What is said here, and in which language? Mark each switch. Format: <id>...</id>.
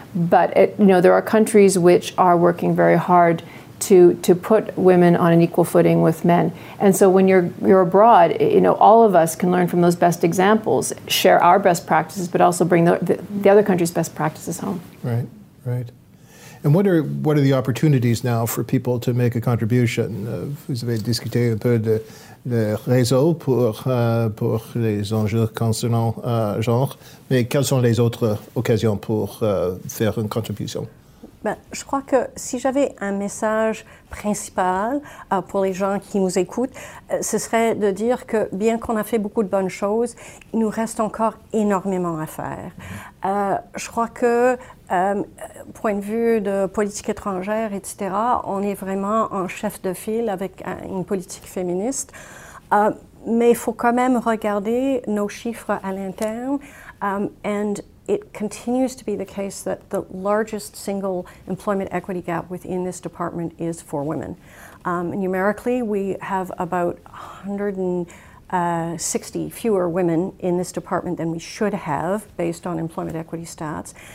<en>But, there are countries which are working very hard to put women on an equal footing with men. And so when you're abroad, you know, all of us can learn from those best examples, share our best practices, but also bring the other country's best practices home. Right, right. And what are the opportunities now for people to make a contribution?</en> <fr>Vous avez discuté un peu de le réseau pour les enjeux concernant genre, mais quelles sont les autres occasions pour faire une contribution? Ben, je crois que si j'avais un message principal pour les gens qui nous écoutent, ce serait de dire que bien qu'on a fait beaucoup de bonnes choses, il nous reste encore énormément à faire. Je crois que point de vue de politique étrangère, etc., on est vraiment en chef de file avec une politique féministe. Mais il faut quand même regarder nos chiffres à l'interne.</fr> <en>And it continues to be the case that the largest single employment equity gap within this department is for women. Numerically, we have about 160 fewer women in this department than we should have based on employment equity stats.</en>